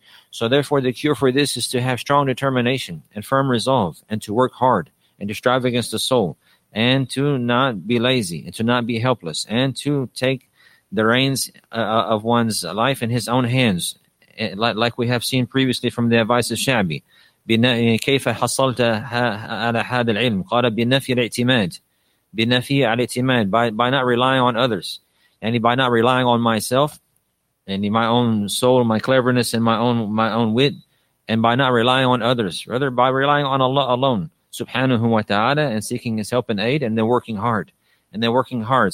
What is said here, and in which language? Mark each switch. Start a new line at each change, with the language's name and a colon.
English: So therefore, the cure for this is to have strong determination and firm resolve and to work hard and to strive against the soul and to not be lazy and to not be helpless and to take the reins of one's life in his own hands, like we have seen previously from the advice of Shabi.
Arabic: كيف حصلت على هذا العلم؟ قال بنفي الاعتماد بنفي الاعتماد,
English: by not relying on others, يعني by not relying on myself, يعني my own soul, my cleverness, and my own wit, and by not relying on others, rather by relying on Allah alone, subhanahu wa ta'ala, and seeking His help and aid, and then working hard, and then working hard.